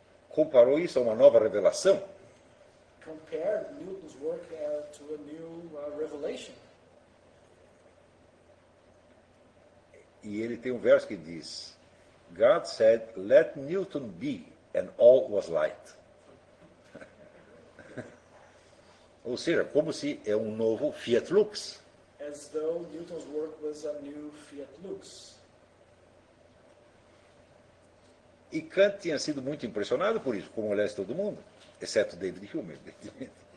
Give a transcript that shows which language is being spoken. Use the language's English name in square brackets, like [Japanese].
[Portuguese] comparou isso a uma nova revelação. [English] Compared Newton's work to a new revelation. [Portuguese] E ele tem um verso que diz: [English] God said, let Newton be, and all was light. [Portuguese] Ou seja, como se é um novo Fiat Lux. [English] As though Newton's work was a new Fiat Lux. [Portuguese] E Kant tinha sido muito impressionado por isso, como aliás todo mundo, exceto David Hume, evidentemente.